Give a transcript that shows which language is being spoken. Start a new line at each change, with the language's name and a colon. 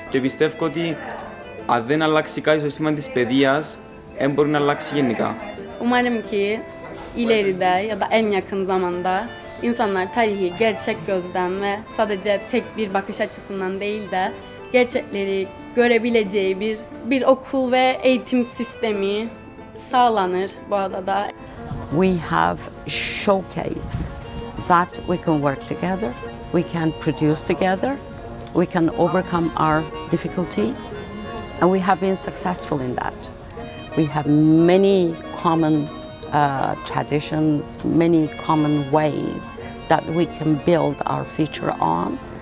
Greek: Και πιστεύω ότι αν δεν αλλάξει κάτι στο σύστημα της παιδείας, δεν μπορεί να αλλάξει γενικά.
Turkish: Umarım ki ileride ya da en yakın zamanda insanlar tarihi gerçek gözden ve sadece tek bir bakış açısından değil de gerçekleri görebileceği bir okul ve eğitim sistemi sağlanır bu adada.
English: We have showcased that we can work together, we can produce together, we can overcome our difficulties, and we have been successful in that. We have many common traditions, many common ways that we can build our future on.